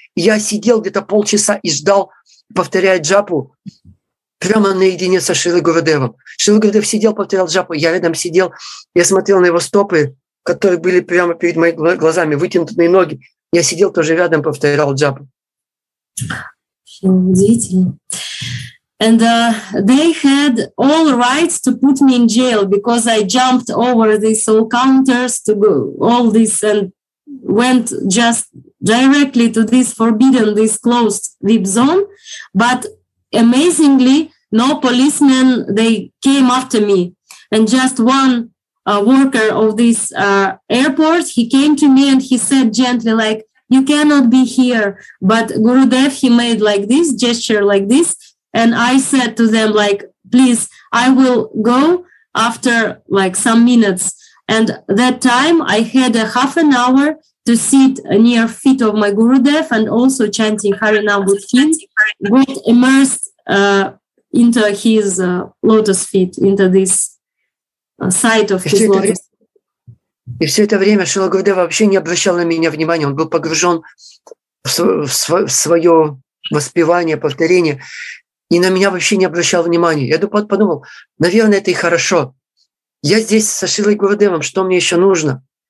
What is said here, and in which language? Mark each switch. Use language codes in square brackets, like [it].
[ru] Я сидел где-то полчаса и ждал, повторяя джапу, прямо наедине со Шрилой Гурудевым. Шрила Гурудев сидел, повторял джапу. Я рядом сидел, я смотрел на его стопы, которые были прямо перед моими глазами, вытянутые ноги. Я сидел тоже рядом, повторял джапу. Удивительно. [en] And they had all rights to put me in jail because I jumped over these all counters to go all this and went just directly to this forbidden, this closed VIP zone. But amazingly, no policemen, they came after me. And just one worker of this airport, he came to me and he said gently, like, you cannot be here. But Gurudev, he made like this gesture, like this. And I said to them, like, please, I will go after like some minutes. And that time I had a half an hour to sit near feet of my Gurudev and also chanting Harinam with him, got immersed into his lotus feet, into this sight of his lotus feet. [ru] И все это время Шрила Гурудев вообще не обращал на меня внимания, он был погружен в свое воспевание, повторение, и на меня вообще не обращал внимания. Я подумал, наверное, это и хорошо. Я здесь со Шрилой Гурудевом, что мне еще нужно?